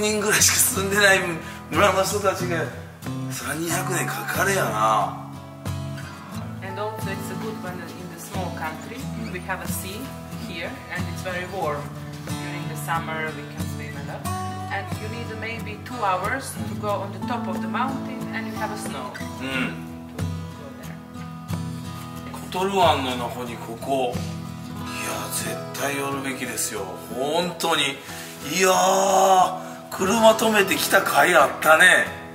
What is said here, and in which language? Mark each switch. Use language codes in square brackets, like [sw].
[ja] 人ぐらいしか住んでない村の人たちが、それは200年かかるやな。 [en] Also, it's a good one in the small country. We have a sea here, and it's very warm. During the summer, we can swim a lot. And you need maybe 2 hours to go on the top of the mountain, and you have a snow to go there. [ja] コトル湾の中にここ、いや絶対寄るべきですよ。本当に、いや車止めて来た甲斐あったね。